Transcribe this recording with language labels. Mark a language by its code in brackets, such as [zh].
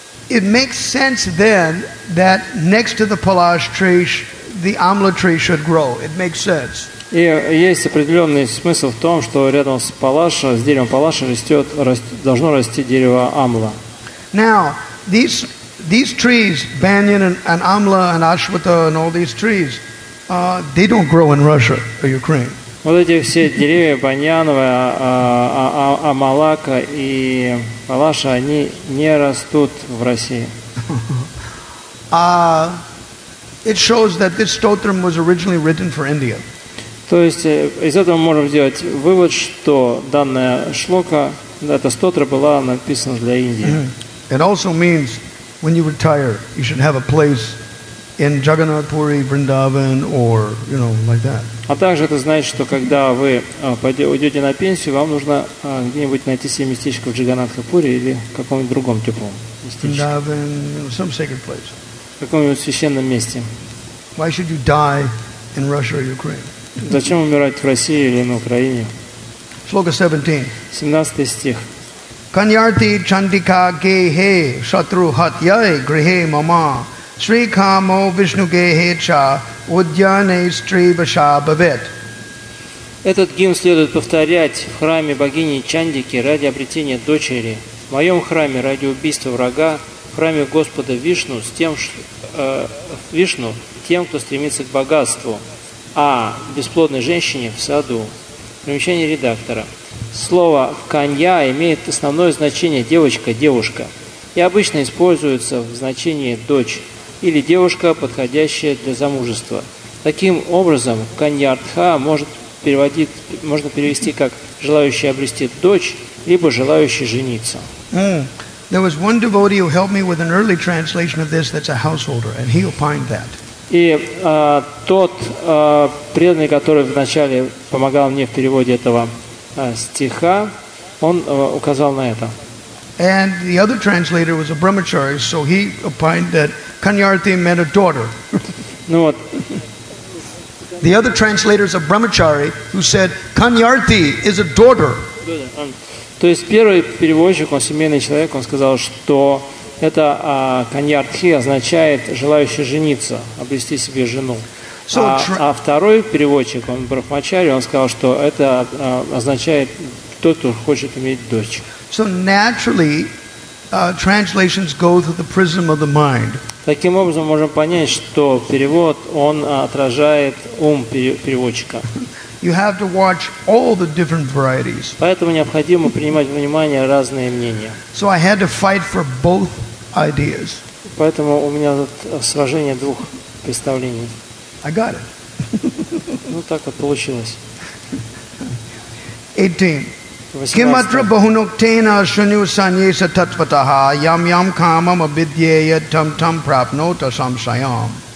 [en] It makes sense then that next to the palash tree, the amla tree should grow. It makes sense. [ru] И есть определенный смысл в том, что рядом с палаша, с деревом палаша растет, должно расти дерево амла. [en] Now these trees, banyan and amla and ashwata and all these trees, they don't grow in Russia or Ukraine. [ru] Вот эти все деревья баньяновые, амалака и палаша, они не растут в России. [en] It shows that this stotram was originally written for India. [ru] То есть из этого мы можем сделать вывод, что данная шлока, эта стотра была написана для Индии. [en] It also means when you retire, you should have a place in Jagannath Puri, Vrindavan, or you know, like that. [ru] А также это значит, что когда вы уйдете на пенсию, вам нужно где-нибудь найти себе местечко в Джаганатхапуре или в каком-нибудь другом теплом местечке. В каком-нибудь священном месте. [en] Why should you die in Russia or Ukraine? [ru] Зачем умирать в России или на Украине? Шлока 17. 17 стих. [sa] Каньярти чандика гейхе шатру хатьяй грихе мама Шри Камо Вишну Гейхе Ча Удьяне Стри Баша Бавет. [ru] Этот гимн следует повторять в храме богини Чандики ради обретения дочери, в моем храме ради убийства врага, в храме Господа Вишну, с тем, Вишну, тем, кто стремится к богатству, а бесплодной женщине в саду. Примечание редактора. Слово «канья» имеет основное значение «девочка», «девушка» и обычно используется в значении «дочь» или девушка, подходящая для замужества. Таким образом, каньярдха можно перевести как желающий обрести дочь, либо желающий жениться. [en] There was one devotee who helped me with an early translation of this that's a householder, and he opined that. [ru] И тот преданный, который вначале помогал мне в переводе этого стиха, он указал на это. [en] And the other translator was a brahmachari, so he opined that Kanyarthi meant a daughter. [ru] Ну вот. [en] The other translator is a brahmachari who said Kanyarthi is a daughter. [ru] То есть первый переводчик, он семейный человек, он сказал, что это Kanyarthi означает желающий жениться, обрести себе жену. А второй переводчик, он брахмачари, он сказал, что это означает тот, кто хочет иметь дочь. [en] So naturally, translations go through the prism of the mind. [ru] Таким образом, можем понять, что перевод он отражает ум переводчика. [en] You have to watch all the different varieties. [ru] Поэтому необходимо принимать внимание разные мнения. [en] So I had to fight for both ideas. [ru] Поэтому у меня тут сражение двух представлений. [en] I got it. [ru] Ну так вот получилось. [sa] 18. Kimatra bahunoktena shunyu sanyesa tatvataha yam yam kamam abhidyeya tam tam prapnota samsayam.